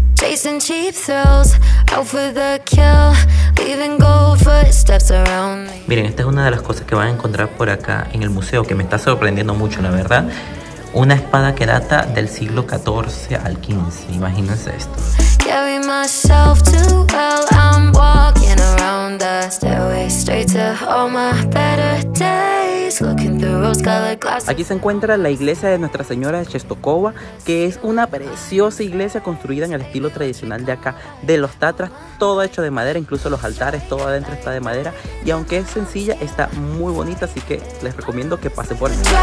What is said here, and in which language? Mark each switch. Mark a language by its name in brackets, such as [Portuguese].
[English] Chasing cheap thrills, out for the kill, leaving gold footsteps around me. [Spanish] Miren, esta es una de las cosas que van a encontrar por acá en el museo, que me está sorprendiendo mucho, la verdad. Una espada que data del siglo XIV al XV, imagínense esto. [English] Carry myself too well, I'm walking around the stairway straight to all my better days, looking through rose-colored glasses. [Spanish] Aquí se encuentra la iglesia de Nuestra Señora de Chestokova, que es una preciosa iglesia construida en el estilo tradicional de acá, de los Tatras, todo hecho de madera, incluso los altares, todo adentro está de madera, y aunque es sencilla, está muy bonita, así que les recomiendo que pasen por ahí.